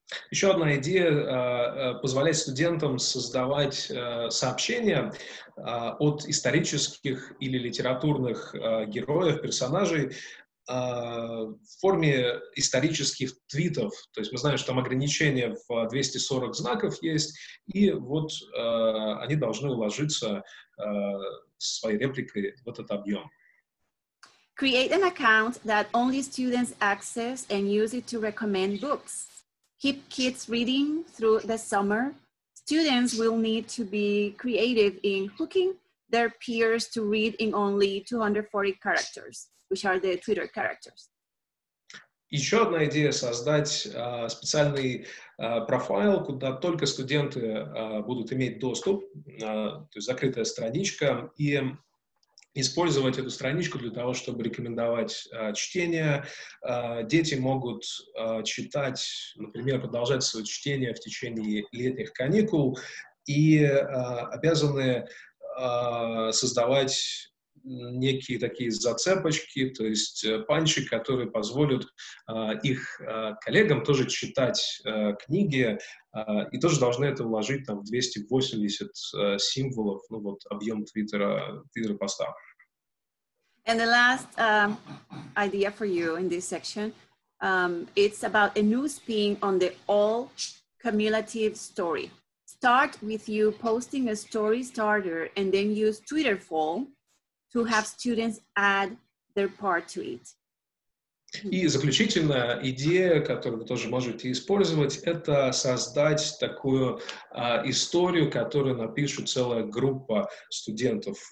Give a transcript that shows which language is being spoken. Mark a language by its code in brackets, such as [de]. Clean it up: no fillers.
[ru] Еще одна идея — позволять студентам создавать сообщения от исторических или литературных героев, персонажей в форме исторических твитов. То есть мы знаем, что там ограничение в 240 знаков есть, и вот они должны уложиться своей репликой вот этот объем. [en] Create an account that only students access and use it to recommend books. Keep kids reading through the summer. Students will need to be creative in hooking their peers to read in only 240 characters, which are the Twitter characters. [ru] Еще одна идея — создать специальный профайл, куда только студенты будут иметь доступ, то есть закрытая страничка, и использовать эту страничку для того, чтобы рекомендовать чтение. Дети могут читать, например, продолжать свое чтение в течение летних каникул и обязаны создавать некие такие зацепочки, то есть панчи, которые позволят их коллегам тоже читать книги, и тоже должны это вложить там в 280 символов, ну вот объем твиттера поста. [en] And the last idea for you in this section, it's about a new spin on the all cumulative story. Start with you posting a story starter and then use Twitter fall to have students add their part to it. [ru] И заключительная идея, которую вы тоже можете использовать, это создать такую историю, которую напишет целая группа студентов.